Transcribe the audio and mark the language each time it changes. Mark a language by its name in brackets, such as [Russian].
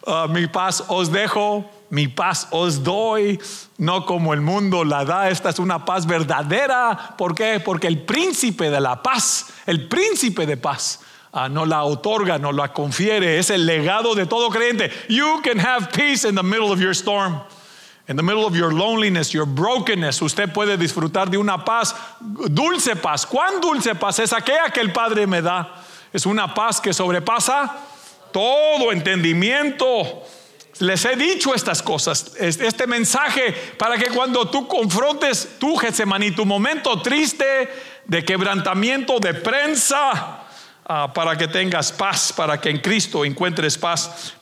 [Spanish] Mi paz os dejo, mi paz os doy, no como el mundo la da. Esta es una paz verdadera. ¿Por qué? Porque el príncipe de la paz, el príncipe de paz, no la otorga, no la confiere. Es el legado de todo creyente. [English] You can have peace in the middle of your storm, in the middle of your loneliness, your brokenness. [Spanish] Usted puede disfrutar de una paz, dulce paz. ¿Cuán dulce paz? Es aquella que el Padre me da. Es una paz que sobrepasa todo entendimiento. Les he dicho estas cosas, este mensaje, para que cuando tú confrontes tu Getsemaní, tu momento triste de quebrantamiento, de prensa, para que tengas paz, para que en Cristo encuentres paz.